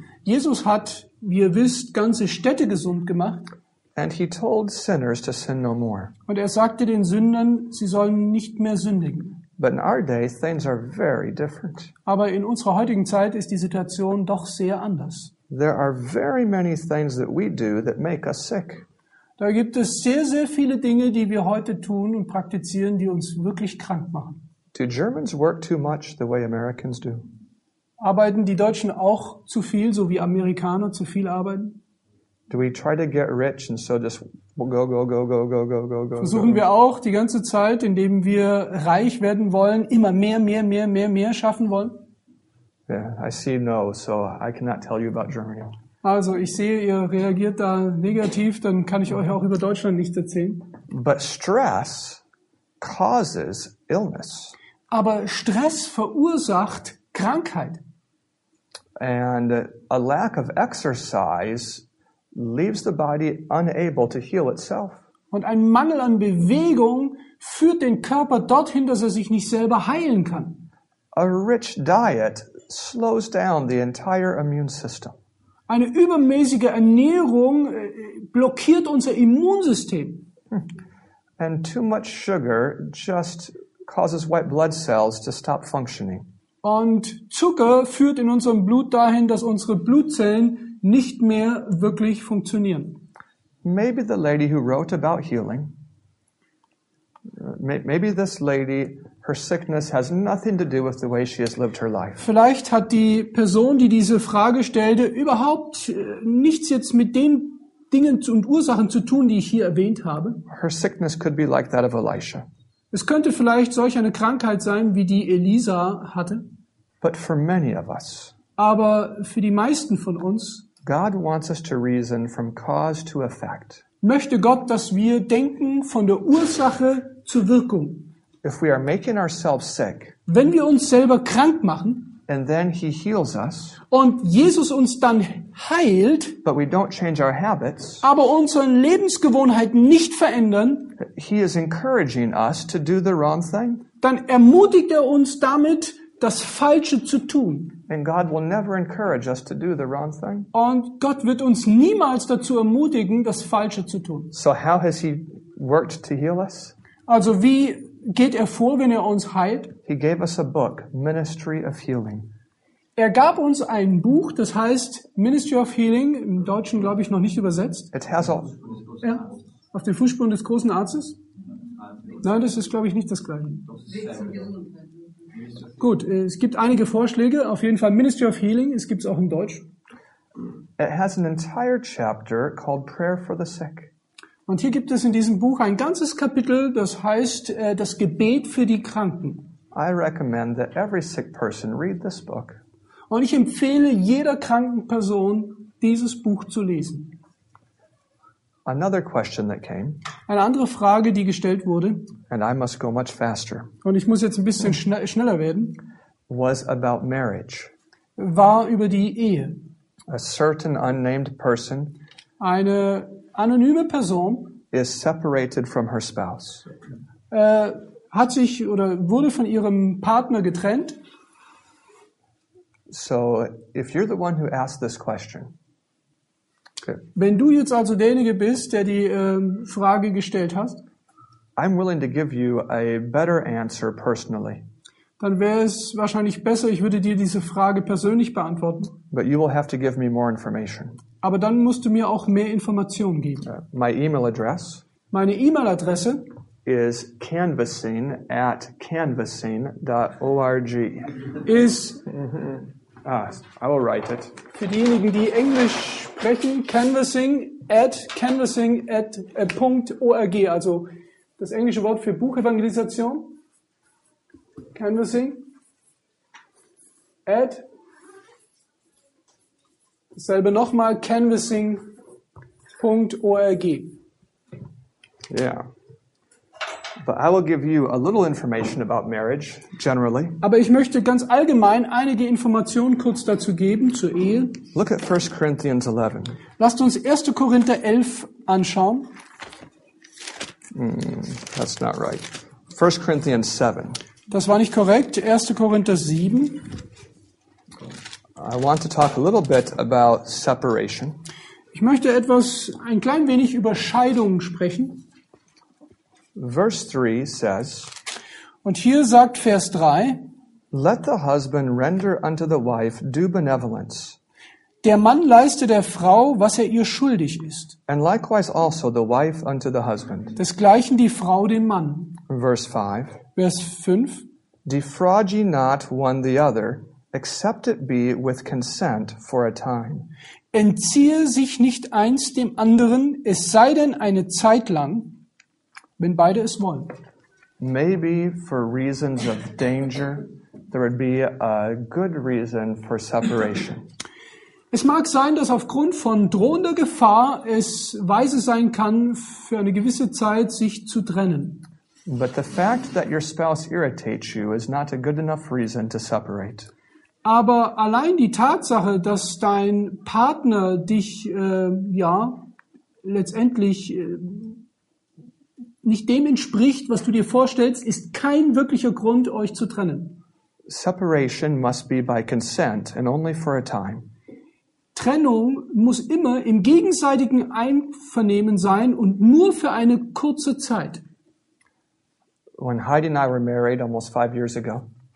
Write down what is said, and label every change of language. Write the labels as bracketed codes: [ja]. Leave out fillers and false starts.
[de] Jesus hat, wie ihr wisst, ganze Städte gesund gemacht. [en] And he told sinners to sin no more. [de] Und sagte den Sündern, sie sollen nicht mehr sündigen. [en] But in our day things are very different. [de] Aber in unserer heutigen Zeit ist die Situation doch sehr anders. [en] There are very many things that we do that make us sick. [de] Da gibt es sehr, sehr viele Dinge, die wir heute tun und praktizieren, die uns wirklich krank machen. [en] Do Germans work too much the way Americans do? [de] Arbeiten die Deutschen auch zu viel, so wie Amerikaner zu viel arbeiten? [en] Do we try to get rich and so just go, go, go, go, go, go, go, go? [de] Versuchen wir auch die ganze Zeit, indem wir reich werden wollen, immer mehr, mehr, mehr, mehr, mehr schaffen wollen? [en] Yeah, I see no, so I cannot tell you about Germany. [de] Also, ich sehe, ihr reagiert da negativ, dann kann ich euch auch über Deutschland nichts erzählen. [en] But stress causes illness. [de] Aber Stress verursacht Krankheit. [en] And a lack of exercise leaves the body unable to heal itself. [de] Und ein Mangel an Bewegung führt den Körper dorthin, dass er sich nicht selber heilen kann. [en] A rich diet slows down the entire immune system. [de] Eine übermäßige Ernährung blockiert unser Immunsystem. [en] And too much sugar just causes white blood cells to stop functioning. [de] Und Zucker führt in unserem Blut dahin, dass unsere Blutzellen nicht mehr wirklich funktionieren. [en] Maybe the lady who wrote about healing, maybe this lady, her sickness has nothing to do with the way she has lived her life. [de] Vielleicht hat die Person, die diese Frage stellte, überhaupt nichts jetzt mit den Dingen und Ursachen zu tun, die ich hier erwähnt habe. [en] Her sickness could be like that of Elisha. [de] Es könnte vielleicht solch eine Krankheit sein, wie die Elisa hatte. [en] But for many of us, [de] aber für die meisten von uns, [en] God wants us to reason from cause to effect. [de] Möchte Gott, dass wir denken von der Ursache zur Wirkung. [en] If we are making ourselves sick, [de] wenn wir uns selber krank machen, [en] and then he heals us, [de] und Jesus uns dann heilt, [en] but we don't change our habits, [de] aber unsere Lebensgewohnheiten nicht verändern, [en] he is encouraging us to do the wrong thing. [de] Dann ermutigt er uns damit, das Falsche zu tun. [en] And God will never encourage us to do the wrong thing. [de] Und Gott wird uns niemals dazu ermutigen, das Falsche zu tun. [en] So how has he worked to heal us? [de] Also wie geht er vor, wenn er uns heilt? [en] He gave us a book, Ministry of Healing. [de] Er gab uns ein Buch, das heißt Ministry of Healing, im Deutschen glaube ich noch nicht übersetzt. [en] It has all, [de] ja, auf den Fußspuren des großen Arztes? Nein, das ist glaube ich nicht das Gleiche. Gut, es gibt einige Vorschläge, auf jeden Fall Ministry of Healing, es gibt es auch in Deutsch. [en] It has an entire chapter called Prayer for the Sick. [de] Und hier gibt es in diesem Buch ein ganzes Kapitel, das heißt das Gebet für die Kranken. [en] I recommend that every sick person read this book. [de] Und ich empfehle jeder kranken Person, dieses Buch zu lesen. [en] Another question that came. [de] Eine andere Frage, die gestellt wurde. [en] And I must go much faster. [de] Und ich muss jetzt ein bisschen schneller werden. [en] Was about marriage. [de] War über die Ehe. [en] A certain unnamed person. [de] Eine anonyme Person. [en] Is separated from her spouse. [de] Hat sich oder wurde von ihrem Partner getrennt. [en] So, if you're the one who asked this question. Okay. [de] Wenn du jetzt also derjenige bist, der die Frage gestellt hast, [en] I'm willing to give you a better answer personally. [de] Dann wäre es wahrscheinlich besser, ich würde dir diese Frage persönlich beantworten. [en] But you will have to give me more information. [de] Aber dann musst du mir auch mehr Informationen geben. [en] My email address. [de] Meine E-Mail-Adresse ist canvassing@canvassing.org. Ist [en] Ah, I will write it. [de] Für diejenigen, die Englisch sprechen, canvassing@canvassing.org. Also das englische Wort für Buchevangelisation. Canvassing@ dasselbe nochmal, canvassing.org. Yeah. [en] But I will give you a little information about marriage, generally. [de] Aber ich möchte ganz allgemein einige Informationen kurz dazu geben zur Ehe. [en] Look at 1 Corinthians 11. [de] Lasst uns 1. Korinther 11 anschauen. [en] That's not right. 1 Corinthians 7. [de] Das war nicht korrekt. 1. Korinther 7. [en] I want to talk a little bit about separation. [de] Ich möchte etwas, ein klein wenig über Scheidung sprechen. [en] Verse 3 says, [de] und hier sagt Vers 3, [en] let the husband render unto the wife due benevolence. [de] Der Mann leiste der Frau, was er ihr schuldig ist. [en] And likewise also the wife unto the husband. [de] Desgleichen die Frau dem Mann. [en] Verse 5, [de] Vers 5, [en] Defraud ye not one the other, except it be with consent for a time. [de] Entziehe sich nicht eins dem anderen, es sei denn eine Zeit lang, wenn beide es wollen. [en] Maybe for reasons of danger, there would be a good reason for separation. [de] Es mag sein, dass aufgrund von drohender Gefahr es weise sein kann, für eine gewisse Zeit sich zu trennen. [en] But the fact that your spouse irritates you is not a good enough reason to separate. [de] Aber allein die Tatsache, dass dein Partner dich ja letztendlich nicht dem entspricht, was du dir vorstellst, ist kein wirklicher Grund, euch zu trennen. [en] Separation must be by consent and only for a time. [de] Trennung muss immer im gegenseitigen Einvernehmen sein und nur für eine kurze Zeit. [en] When Heidi and I were married almost 5 years ago.